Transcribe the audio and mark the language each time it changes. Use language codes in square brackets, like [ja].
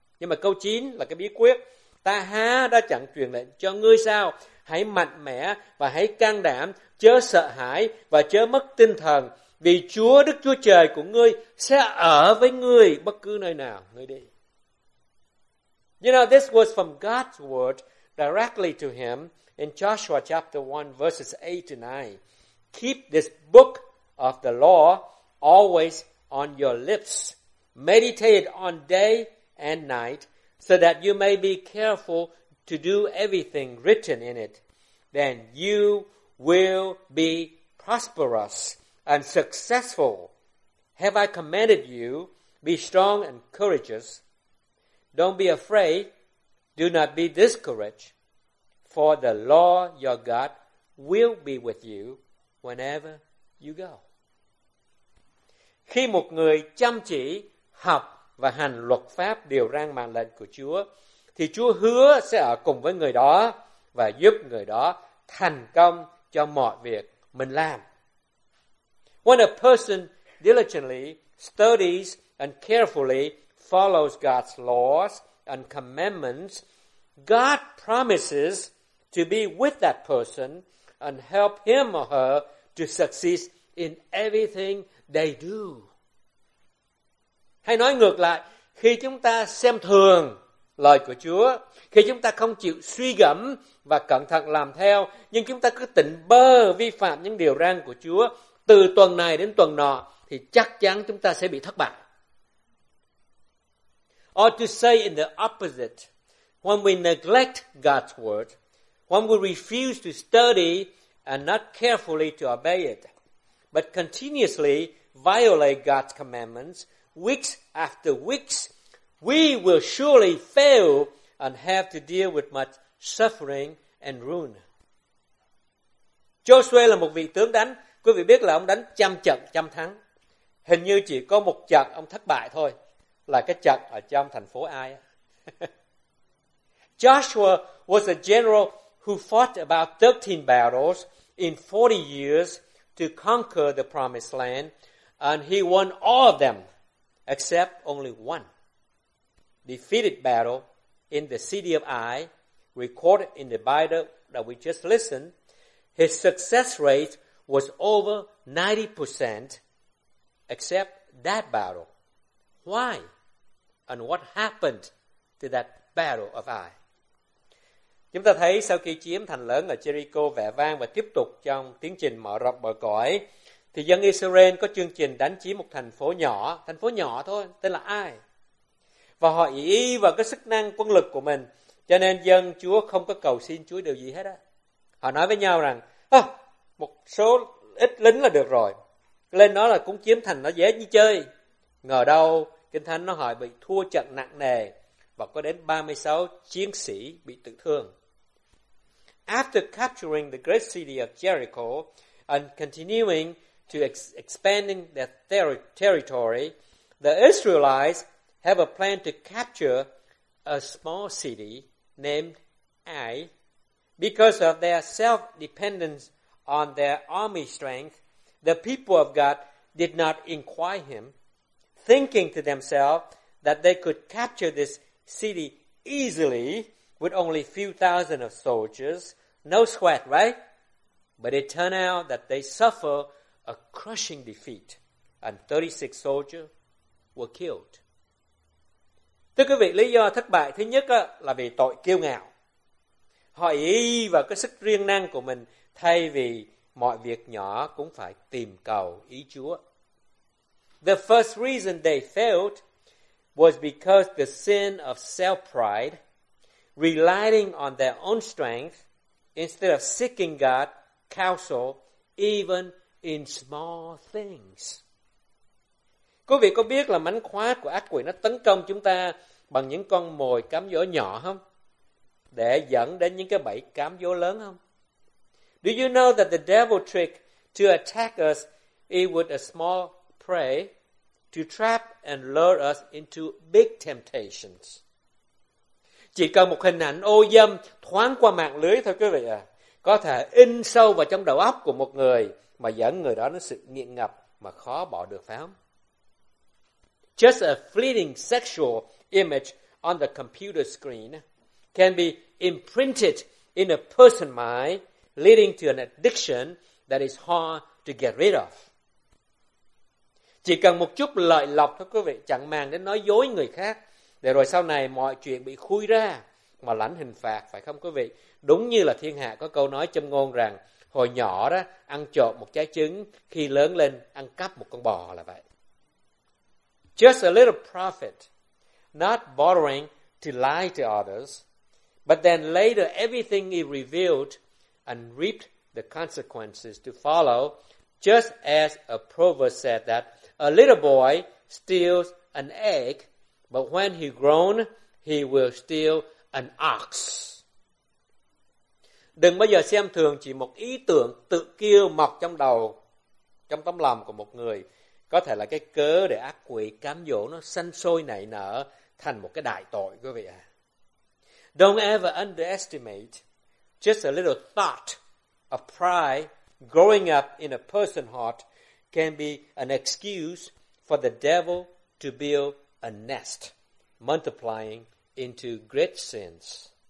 [vi] Nhưng mà câu 9 là cái bí quyết, ta há đã chẳng truyền lệnh cho ngươi sao? Hãy mạnh mẽ và hãy can đảm, chớ sợ hãi và chớ mất tinh thần, vì Chúa Đức Chúa Trời của ngươi sẽ ở với ngươi bất cứ nơi nào ngươi đi. [en] You know, this was from God's word directly to him in Joshua chapter 1, verses 8 to 9. Keep this book of the law always on your lips. Meditate on day and night so that you may be careful to do everything written in it. Then you will be prosperous and successful. Have I commanded you? Be strong and courageous. Don't be afraid, do not be discouraged, for the Lord your God will be with you whenever you go. [vi] Khi một người chăm chỉ học và hành luật pháp điều răn mạng lệnh của Chúa, thì Chúa hứa sẽ ở cùng với người đó và giúp người đó thành công cho mọi việc mình làm. [en] When a person diligently studies and carefully follows God's laws and commandments, God promises to be with that person and help him or her to succeed in everything they do. [vi] Hay nói ngược lại, khi chúng ta xem thường lời của Chúa, khi chúng ta không chịu suy gẫm và cẩn thận làm theo, nhưng chúng ta cứ tỉnh bơ vi phạm những điều răn của Chúa từ tuần này đến tuần nọ, thì chắc chắn chúng ta sẽ bị thất bại. [en] Or to say in the opposite, when we neglect God's word, when we refuse to study and not carefully to obey it, but continuously violate God's commandments weeks after weeks, we will surely fail and have to deal with much suffering and ruin. [vi] Joshua là một vị tướng đánh. Quý vị biết là ông đánh trăm trận trăm thắng. Hình như chỉ có một trận ông thất bại thôi. Là cái trận ở trong thành phố Ai. [en] Joshua was a general who fought about 13 battles in 40 years to conquer the promised land, and he won all of them except only one defeated battle in the city of Ai, recorded in the that we just listened, his success rate was over 90%, except that battle. Why? And what happened to that battle of Ai? [vi] Chúng ta thấy sau khi chiếm thành lớn ở Jericho vẻ vang và tiếp tục trong tiến trình mở rộng bờ cõi, thì dân Israel có chương trình đánh chiếm một thành phố nhỏ thôi, tên là Ai. Và họ ý vào cái sức năng quân lực của mình, cho nên dân Chúa không có cầu xin Chúa điều gì hết á. Họ nói với nhau rằng, một số ít lính là được rồi, lên đó là cũng chiếm thành nó dễ như chơi. Ngờ đâu, Kinh Thánh nó hỏi bị thua trận nặng nề, và có đến 36 chiến sĩ bị tử thương. [en] After capturing the great city of Jericho and continuing to expanding their territory, the Israelites have a plan to capture a small city named Ai. Because of their self-dependence on their army strength, the people of God did not inquire him, thinking to themselves that they could capture this city easily with only a few thousand of soldiers. No sweat, right? But it turned out that they suffered a crushing defeat, and 36 soldiers were killed. [vi] Thưa quý vị, lý do thất bại thứ nhất là vì tội kiêu ngạo. Họ ý vào cái sức riêng năng của mình thay vì mọi việc nhỏ cũng phải tìm cầu ý Chúa. [en] The first reason they failed was because the sin of self-pride, relying on their own strength instead of seeking God's counsel even in small things. [vi] Quý vị có biết là mánh khóa của ác quỷ nó tấn công chúng ta bằng những con mồi cám dỗ nhỏ không? Để dẫn đến những cái bẫy cám dỗ lớn không? [en] Do you know that the devil trick to attack us is with a small prey to trap and lure us into big temptations? [vi] Chỉ cần một hình ảnh ô dâm thoáng qua mạng lưới thôi quý vị à, có thể in sâu vào trong đầu óc của một người mà dẫn người đó đến sự nghiện ngập mà khó bỏ được, phải không? [en] Just a fleeting sexual image on the computer screen can be imprinted in a person's mind, leading to an addiction that is hard to get rid of. [vi] Chỉ cần một chút lợi lộc thôi quý vị, chẳng màng đến nói dối người khác, để rồi sau này mọi chuyện bị khui ra mà lãnh hình phạt, phải không quý vị? Đúng như là thiên hạ có câu nói châm ngôn rằng, hồi nhỏ đó ăn trộm một trái trứng, khi lớn lên ăn cắp một con bò là vậy. [en] Just a little profit, not bothering to lie to others, but then later everything is revealed and reaped the consequences to follow, just as a proverb said that a little boy steals an egg, but when he grown, he will steal an ox. [vi] Đừng bao giờ xem thường chỉ một ý tưởng tự kêu mọc trong đầu, trong tấm lòng của một người, có thể là cái cớ để ác quỷ cám dỗ nó sanh sôi nảy nở thành một cái đại tội, quý vị ạ. [en] Don't ever underestimate just a little thought of pride growing up in a person's heart can be an excuse for the devil to build a nest, multiplying into great sins.